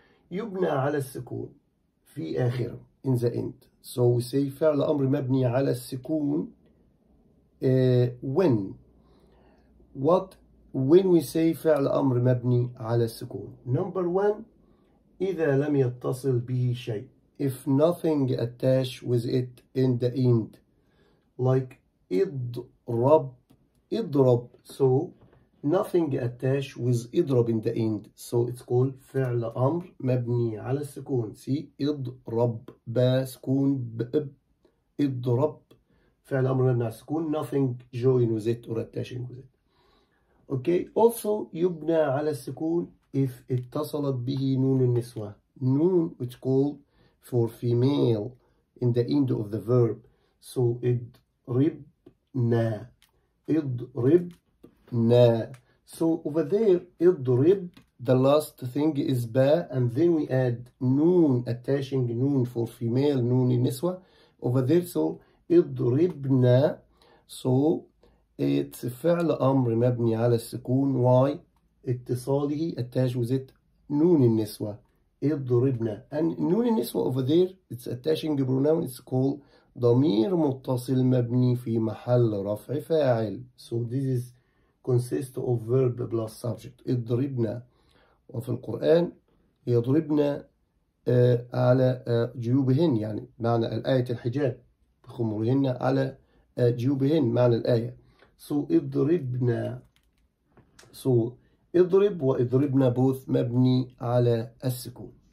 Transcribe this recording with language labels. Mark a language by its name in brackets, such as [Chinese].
[Arabic] يبنى على السكون. في آخره. [English] In the end. So we say [Arabic] فعل أمر مبني على السكون. [English] When. What. When we say [Arabic] فعل أمر مبني على السكون. [English] Number one. [Arabic] إذا لم يتصل به شيء. [English] If nothing attach with it in the end. [Arabic] Like اضرب. اضرب. [English] So nothing attach with اضرب in the end. So it's called [Arabic] فعل أمر مبني على السكون. See اضرب. با سكون بب. اضرب. فعل أمر مبني على السكون. [English] Nothing join with it or attaching with it. Okay, also [Arabic] يبنى على السكون if اتصلت به نون النسوة. [English] نون which called for female in the end of the verb. [Arabic] So اضربنا. اضربنا. [English] So over there اضرب, the last thing is با, and then we add نون, attaching نون for female, نون النسوة. Over there, so اضربنا. So it's [Arabic] فعل أمر مبني على السكون. [English] Why? اتصاله attached with it [Arabic] نون النسوة. اضربنا. [English] And نون النسوة over there, it's attaching pronoun, it's called [Arabic] ضمير متصل مبني في محل رفع فاعل. [English] So this is consist of verb plus subject. [Arabic] اضربنا. وفي القرآن يضربنا على جيوبهن, يعني معنى الآية الحجاب بخمرهن على جيوبهن, معنى الآية. So اضربنا. So اضرب واضربنا both مبني على السكون.